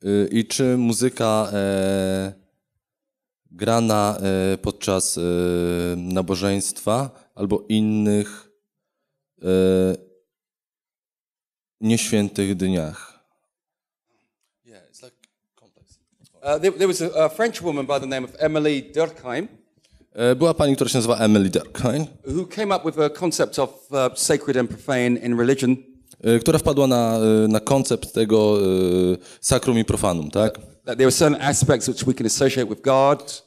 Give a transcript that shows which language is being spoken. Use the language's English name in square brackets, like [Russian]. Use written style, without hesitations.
[Polish] I czy muzyka grana podczas nabożeństwa albo innych nieświętych dniach. [English] Yeah, it's like complex. There was a French woman by the name of Emily Durkheim. [Polish] Była pani, która się nazywa Emily Durkheim. [English] Who came up with a concept of sacred and profane in religion. [Polish] Która wpadła na koncept tego sacrum i profanum, tak? [English] That there are certain aspects which we can associate with God.